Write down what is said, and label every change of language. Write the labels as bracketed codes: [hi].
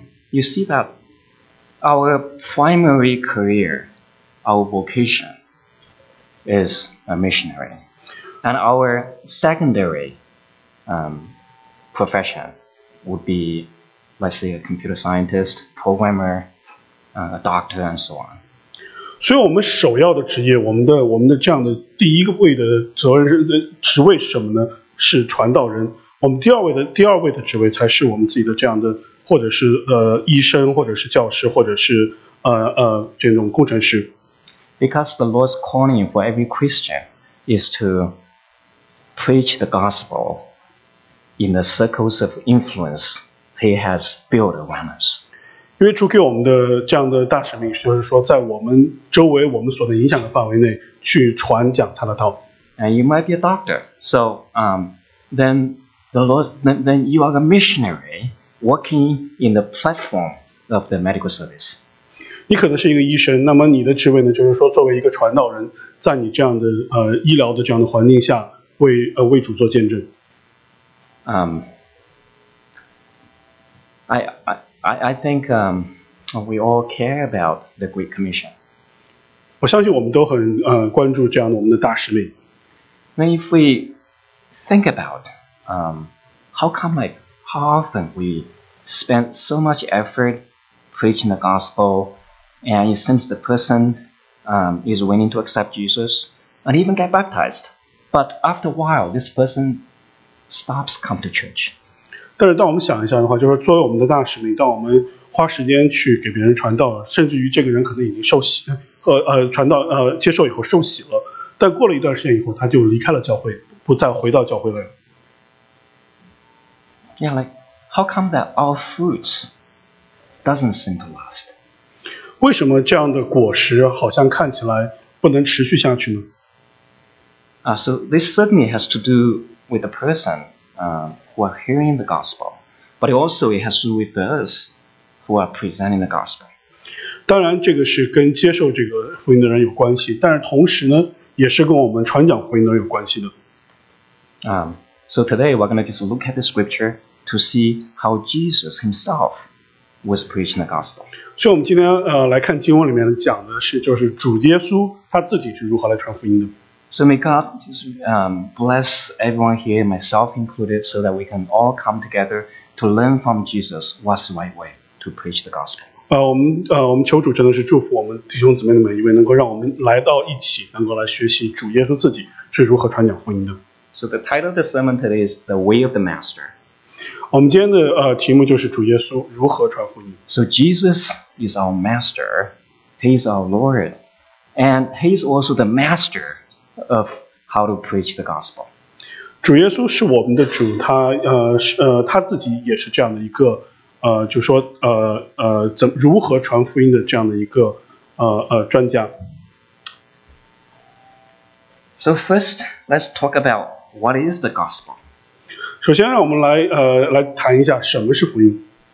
[en] You see that our primary career, our vocation, is a missionary. And our secondary profession would be, let's say, a computer scientist, programmer, a doctor, and so on. [zh] 所以我们首要的职业，我们的这样的第一个位的责任职位是什么呢？是传道人。我们第二位的职位才是我们自己的这样的，或者是医生，或者是教师，或者是这种工程师。 [en] Because the Lord's calling for every Christian is to preach the gospel in the circles of influence he has built around us. [zh] 因为主给我们的这样的大使命，就是说在我们周围我们所能影响的范围内去传讲他的道。 [en] And you might be a doctor. So, then you are a missionary working in the platform of the medical service. [zh] 你可能是一个医生，那么你的职位呢，就是说作为一个传道人，在你这样的医疗的这样的环境下为主做见证。 [en] I think we all care about the Great Commission. [zh] 我相信我们都很关注这样的我们的大使命。 [en] Then if we think about how come like how often we spend so much effort preaching the gospel and it seems the person is willing to accept Jesus and even get baptized. But after a while, this person stops come to church. [zh] 但是当我们想一下的话，就是作为我们的大使命，当我们花时间去给别人传道，甚至于这个人可能已经受洗，传道接受以后受洗了，但过了一段时间以后，他就离开了教会，不再回到教会了。 [en] Yeah, like how come that our fruits doesn't seem to last? [zh] 为什么这样的果实好像看起来不能持续下去呢？ [en] So this certainly has to do with the person who are hearing the gospel, but also it has to do with us who are presenting the gospel. [zh] 当然这个是跟接受这个福音的人有关系，但是同时呢，也是跟我们传讲福音的人有关系的。 [en] So today we're going to just look at the scripture to see how Jesus himself was preaching the gospel. [zh] 所以我们今天来看经文里面讲的是，就是主耶稣他自己是如何来传福音的。 [en] So may God bless everyone here, myself included, so that we can all come together to learn from Jesus what's the right way to preach the gospel. [zh] 我们求主真的是祝福我们弟兄姊妹的每一位，能够让我们来到一起，能够来学习主耶稣自己是如何传讲福音的。 [en] So the title of the sermon today is The Way of the Master. [zh] 我们今天的题目就是主耶稣如何传福音。 [en] So Jesus is our master, he is our Lord, and he is also the master. Of how to preach the gospel. [zh] 主耶稣是我们的主，他自己也是这样的一个，就说怎如何传福音的这样的一个专家。 [en] So first, let's talk about what is the gospel. [zh] 首先，让我们来谈一下什么是福音。